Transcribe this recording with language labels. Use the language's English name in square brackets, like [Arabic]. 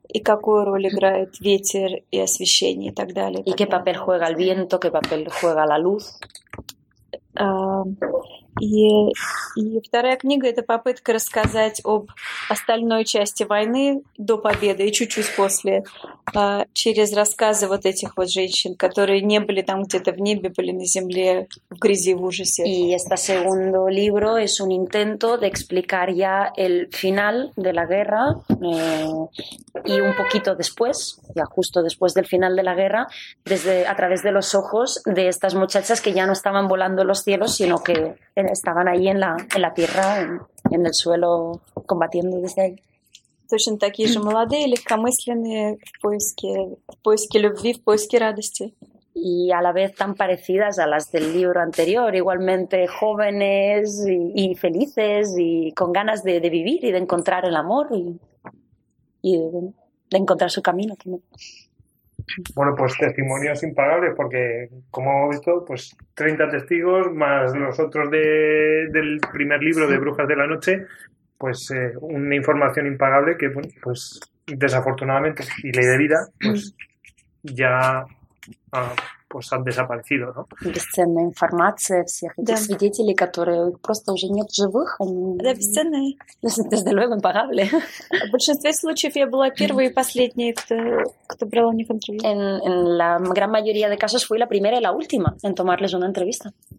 [Russian] И какую роль играет ветер и освещение и так далее. И [Spanish] qué papel juega el viento, qué papel juega la luz. [Russian] И вторая книга – это попытка рассказать об остальной части войны до победы и чуть-чуть после, через рассказы вот этих вот женщин, которые не были там где-то в небе, были на земле в грязи, в ужасе. И [Spanish] este segundo libro es un intento de explicar ya el final de la guerra y un poquito después, ya justo después del final de la guerra, desde a través de los ojos de estas muchachas que ya no estaban volando los cielos, sino que estaban ahí en la tierra, en el suelo, combatiendo desde ahí. [Russian] Точно такие же молодые, легкомысленные, в поиске любви, в поиске радости. [Spanish] Y a la vez tan parecidas a las del libro anterior, igualmente jóvenes y felices y con ganas de vivir y de encontrar el amor y de encontrar su camino. Bueno, pues testimonios impagables, porque como hemos visto, pues 30 testigos más los otros del primer libro de Brujas de la Noche, pues una información impagable que, bueno, pues desafortunadamente y ley de vida, pues ya pues han desaparecido, ¿no? [Russian] Бесценная информация всех этих свидетелей, которые просто уже нет живых. Да, бесценная. [Spanish] Desde luego, impagable. [Russian] В большинстве случаев я была первой и последней, кто брал у них интервью. [Spanish] En la gran mayoría de casos fui la primera y la última en tomarles una entrevista.